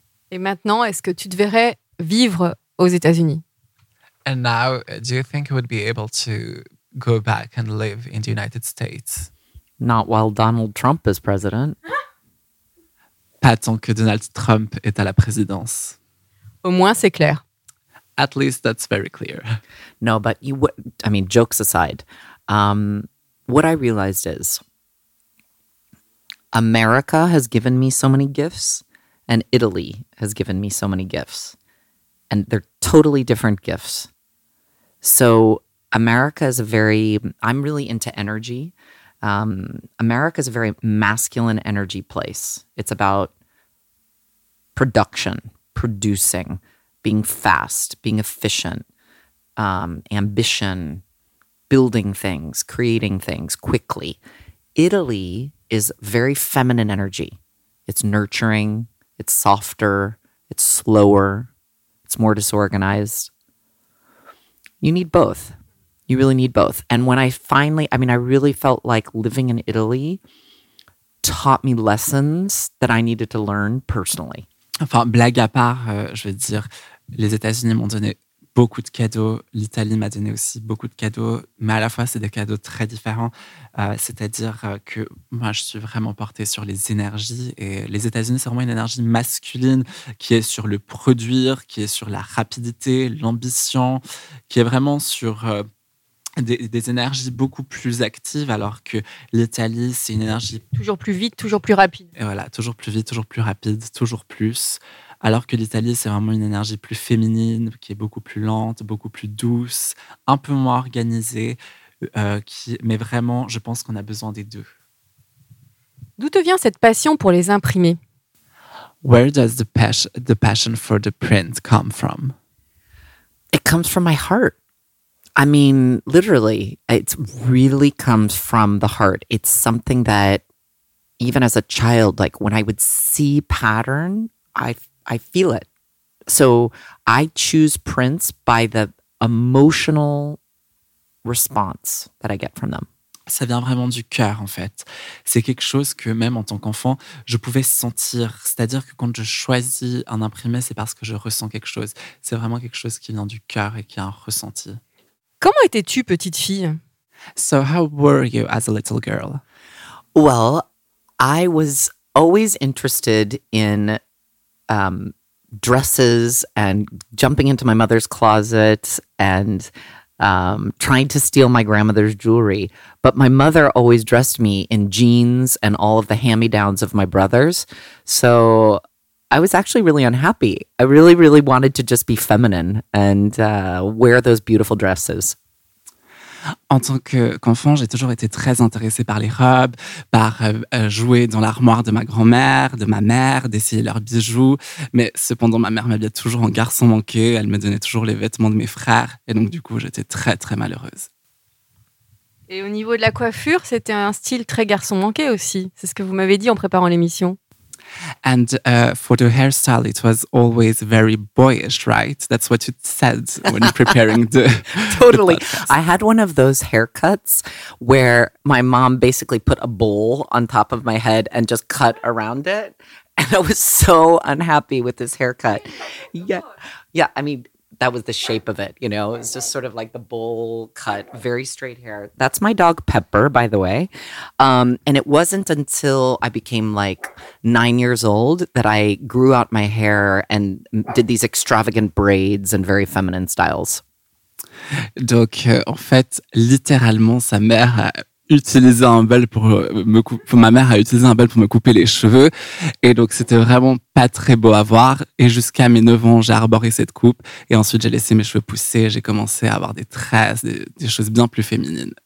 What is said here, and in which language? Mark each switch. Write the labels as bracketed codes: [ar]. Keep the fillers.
[fr] Et maintenant, est-ce que tu te verrais vivre aux États-Unis? [en] Not while Donald Trump is president. [fr] Pas tant que Donald Trump est à la présidence. Au moins, c'est clair. [en] at least that's very clear no but you I mean jokes aside um, what i realized is america has given me so many gifts and italy has given me so many gifts and they're totally different gifts so america is a very i'm really into energy um, america is a very masculine energy place it's about production producing being fast, being efficient, um, ambition, building things, creating things quickly. Italy is very feminine energy. It's nurturing, it's softer, it's slower, it's more disorganized. You need both. You really need both. And when I finally, I mean, I really felt like living in Italy taught me lessons that I needed to learn personally. [fr] enfin, blague à part, euh, je veux dire, les États-Unis m'ont donné beaucoup de cadeaux, l'Italie m'a donné aussi beaucoup de cadeaux, mais à la fois, c'est des cadeaux très différents. Euh, C'est-à-dire euh, que moi, je suis vraiment portée sur les énergies, et les États-Unis, c'est vraiment une énergie masculine qui est sur le produire, qui est sur la rapidité, l'ambition, qui est vraiment sur... Des, des, énergies beaucoup plus actives, alors que l'Italie, c'est une énergie. Toujours plus vite, toujours plus rapide. Et voilà, toujours plus vite, toujours plus rapide, toujours plus. Alors que l'Italie, c'est vraiment une énergie plus féminine, qui est beaucoup plus lente, beaucoup plus douce, un peu moins organisée. Euh, qui... Mais vraiment, je pense qu'on a besoin des deux. D'où te vient cette passion pour les imprimer [en] Where does the, [fr] pas [en] the passion for the print come from It comes from my heart. I mean, literally, it really comes from the heart. It's something that, even as a child, like when I would see pattern, I, I feel it. So I choose prints by the emotional response that I get from them. [fr] Ça vient vraiment du cœur, en fait. C'est quelque chose que même en tant qu'enfant, je pouvais sentir. C'est-à-dire que quand je choisis un imprimé, c'est parce que je ressens quelque chose. C'est vraiment quelque chose qui vient du cœur et qui a un ressenti. Comment étais-tu petite fille? [en] So how were you as a little girl? Well, I was always interested in um, dresses and jumping into my mother's closet and um, trying to steal my grandmother's jewelry. But my mother always dressed me in jeans and all of the hand me downs of my brothers. So [fr] En tant qu'enfant, j'ai toujours été très intéressée par les robes, par euh, jouer dans l'armoire de ma grand-mère, de ma mère, d'essayer leurs bijoux. Mais cependant, ma mère m'habillait toujours en garçon manqué. Elle me donnait toujours les vêtements de mes frères. Et donc, du coup, j'étais très, très malheureuse. Et au niveau de la coiffure, c'était un style très garçon manqué aussi. C'est ce que vous m'avez dit en préparant l'émission. [en] And uh, for the hairstyle, it was always very boyish, right? That's what it said when preparing the. totally. The I had one of those haircuts where my mom basically put a bowl on top of my head and just cut around it. And I was so unhappy with this haircut. Yeah. Yeah. I mean, that was the shape of it, you know. It was just sort of like the bowl cut, very straight hair. That's my dog Pepper, by the way. Um, and it wasn't until I became like nine years old that I grew out my hair and did these extravagant braids and very feminine styles. [fr] Donc, euh, en fait, littéralement, sa mère utilisé un bel pour me coup... ma mère a utilisé un bel pour me couper les cheveux. Et donc, c'était vraiment pas très beau à voir. Et jusqu'à mes 9 ans, j'ai arboré cette coupe. Et ensuite, j'ai laissé mes cheveux pousser. J'ai commencé à avoir des tresses, des, des choses bien plus féminines.